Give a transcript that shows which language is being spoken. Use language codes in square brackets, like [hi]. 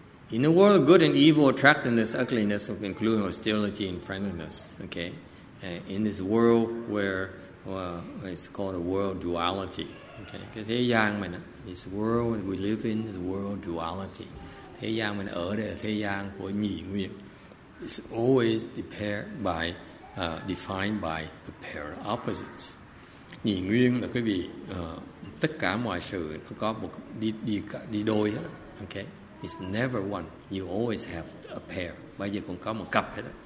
[en] In a world of good and evil, attractiveness, ugliness, including hostility and friendliness. Okay? In this world where it's called a world duality. Okay? [vi] Cái thế gian mình, [en] this world we live in is world duality. [vi] Thế gian mình ở đây là thế gian của nhị nguyên. [en] It's always defined by a pair of opposites. [vi] Nhị nguyên là quý vị, tất cả mọi sự nó có một đi đôi hết. Okay? [en] It's never one. You always have a pair. [vi] Bây giờ còn có một cặp hết.